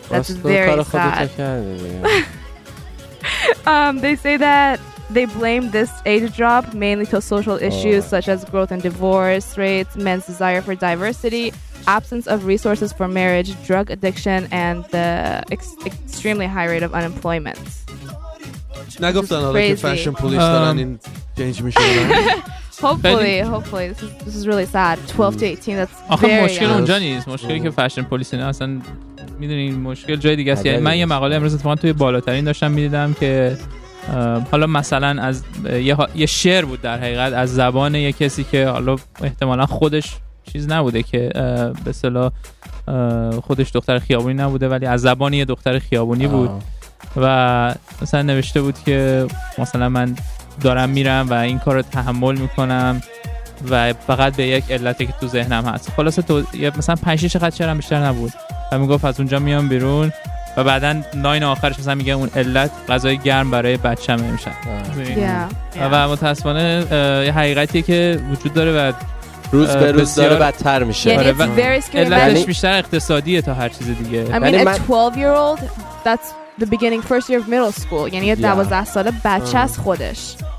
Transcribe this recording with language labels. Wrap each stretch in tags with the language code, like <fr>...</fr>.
<en>That's very sad. They say that they blame this age drop mainly to social issues such as growth in divorce rates, men's desire for diversity, absence of resources for marriage, drug addiction, and the extremely high rate of unemployment.</en> <fa>نگفتن حالا که فشن پولیس دارن این چینج میشه.</fa> <en>Hopefully, this is really sad. 12 to 18, that's very young.</en> <fa>آخه مشکل اونجا نیست. مشکلی که فشن پولیس اینه اصلا میدونین مشکل جای دیگه است. یعنی من یه مقاله امروز اتفاقا توی بالاترین داشتم میدیدم که حالا مثلا از یه شعر بود در حقیقت از زبان یه کسی که حالا احتمالا خودش چیز نبوده که به اصطلاح خودش دختر خیابونی نبوده ولی از زبان یه دختر خیابونی بود و مثلا نوشته بود که مثلا من دارم میرم و این کار رو تحمل میکنم و فقط به یک علتی که تو ذهنم هست خلاصه تو مثلا 5-6 قد شهرم بیشتر نبود و میگفت از اونجا میام بیرون و بعدا ناین آخرش مثلا میگه اون علت غذای گرم برای بچه‌م میشن و متاسفانه یه حقیقتیه که وجود داره و روز به روز داره بدتر میشه. آره و علتش بیشتر اقتصادیه تا هر چیز دیگه.</fa> <en>I mean a 12-year-old that's the beginning first year of middle school.</en> <fa>یعنی یه 12 ساله بچه است خودش.</fa>